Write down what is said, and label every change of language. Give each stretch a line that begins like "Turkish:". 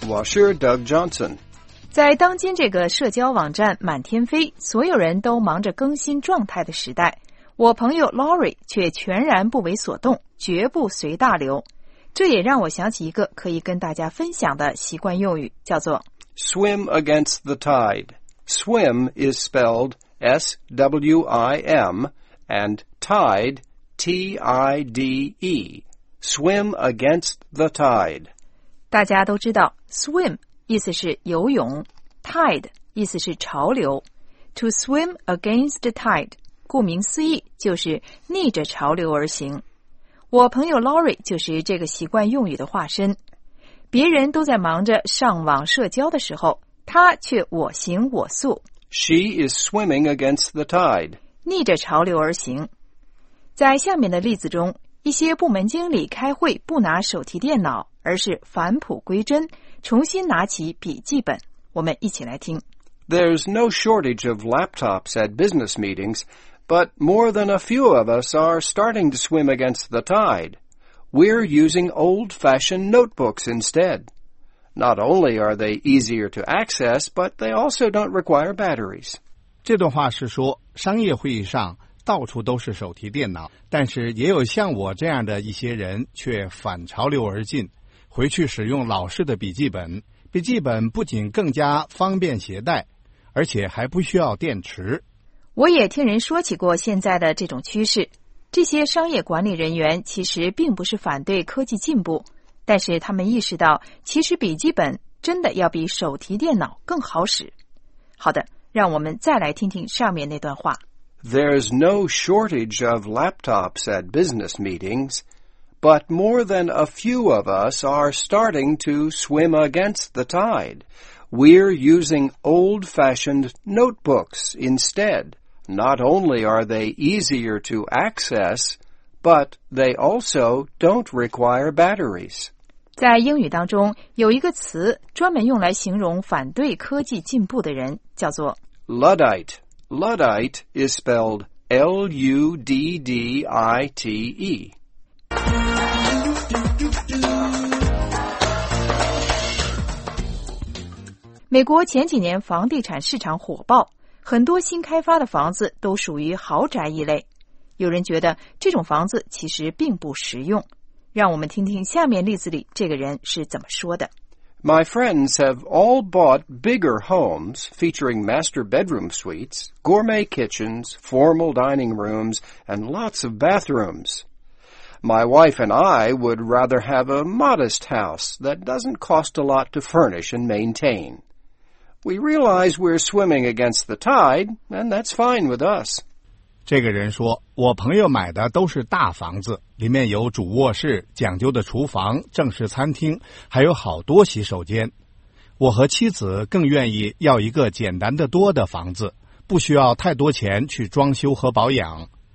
Chinese: 我是 Doug Johnson 在当今这个社交网站满天飞所有人都忙着更新状态的时代我朋友 Lori 却全然不为所动绝不随大流这也让我想起一个可以跟大家分享的习惯用语叫做
English: Swim against the tideSwim is spelled S-W-I-M and tide, T-I-D-E. Swim against the tide.
Chinese: 大家都知道 swim 意思是游泳 tide 意思是潮流
English: To swim against the tide,
Chinese: 顾名思义就是逆着潮流而行。我朋友 Lori 就是这个习惯用语的化身。别人都在忙着上网社交的时候他却我行我素。
English: She is swimming against the tide.
Chinese: 逆着潮流而行。在下面的例子中，一些部门经理开会不拿手提电脑，而是返璞归真，重新拿起笔记本。我们一起来听。
English: There's no shortage of laptops at business meetings, but more than a few of us are starting to swim against the tide. We're using old-fashioned notebooks instead. Not only are they easier to access, but they also don't require batteries.
Chinese: 这段话是说，商业会议上到处都是手提电脑，但是也有像我这样的一些人却反潮流而进，回去使用老式的笔记本。笔记本不仅更加方便携带，而且还不需要电池。我也听人说起过现在的这种趋势，这些商业管理人员其实并不是反对科技进步。但是他们意识到其实笔记本真的要比手提电脑更好使。好的，让我们再来听听上面那段话。
English: There's no shortage of laptops at business meetings, but more than a few of us are starting to swim against the tide. We're using old-fashioned notebooks instead. Not only are they easier to access, but they also don't require batteries.
Chinese: 在英语当中有一个词专门用来形容反对科技进步的人叫做
English: Luddite. Luddite is spelled L-U-D-D-I-T-E.
Chinese: 美国前几年房地产市场火爆，很多新开发的房子都属于豪宅一类。有人觉得这种房子其实并不实用。让我们听听下面例子里这个人是怎么说的。
English: My friends have all bought bigger homes featuring master bedroom suites, gourmet kitchens, formal dining rooms, and lots of bathrooms. My wife and I would rather have a modest house that doesn't cost a lot to furnish and maintain. We realize we're swimming against the tide, and that's fine with us.
Chinese: 这个人说，我朋友买的都是大房子，里面有主卧室、讲究的厨房、正式餐厅，还有好多洗手间。我和妻子更愿意要一个简单的多的房子，不需要太多钱去装修和保养。